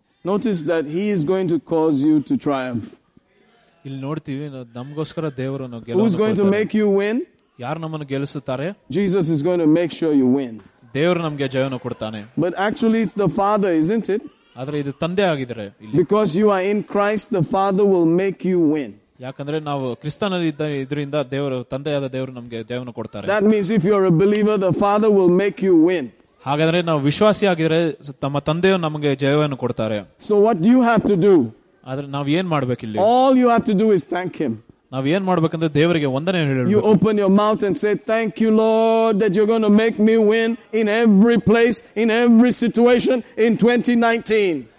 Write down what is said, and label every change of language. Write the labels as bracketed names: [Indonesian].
[English] Notice that he is going to cause you to triumph. [Kannada] ಇಲ್ಲಿ ನೋಡ್ತೀವಿ ನಮಗೋಸ್ಕರ ದೇವರು ನಮ್ಮನ್ನು ಗೆಲ್ಲುತ್ತಾರೆ. [English] Who is going to make you win? [Kannada] ಯಾರು ನಮ್ಮನ್ನು ಗೆಲ್ಲಿಸುತ್ತಾರೆ? [English] Jesus is going to make sure you win. [Kannada] ದೇವರು ನಮಗೆ ಜಯವನ್ನು ಕೊಡ್ತಾನೆ. [English] But actually it's the Father, isn't it? [Kannada] ಆದರೆ ಇದು ತಂದೆ ಆಗಿದ್ದಾರೆ. [English] Because you are in Christ, the Father will make you win. [Kannada] ಯಾಕಂದ್ರೆ ನಾವು ಕ್ರಿಸ್ತನಲ್ಲಿ ಇದರಿಂದ ದೇವರು, ತಂದೆಯಾದ ದೇವರು ನಮಗೆ ಜಯವನ್ನು ಕೊಡ್ತಾರೆ. [English] That means if you are a believer, the Father will make you win. [Kannada] ಹಾಗಾದ್ರೆ ನಾವು ವಿಶ್ವಾಸಿಯಾಗಿದ್ರೆ ತಮ್ಮ ತಂದೆಯು ನಮಗೆ ಜಯವನ್ನು ಕೊಡ್ತಾರೆ. [English] so what you have to do, [Kannada] ಆದ್ರೆ ನಾವು ಏನ್ ಮಾಡ್ಬೇಕು ಇಲ್ಲಿ? [English] All you have to do is thank him. [Kannada] ನಾವ್ ಏನ್ ಮಾಡ್ಬೇಕಂದ್ರೆ ದೇವರಿಗೆ ವಂದನೆ ಹೇಳಿ. [English] You open your mouth and say thank you Lord that you going to make me win in every place in every situation in 2019.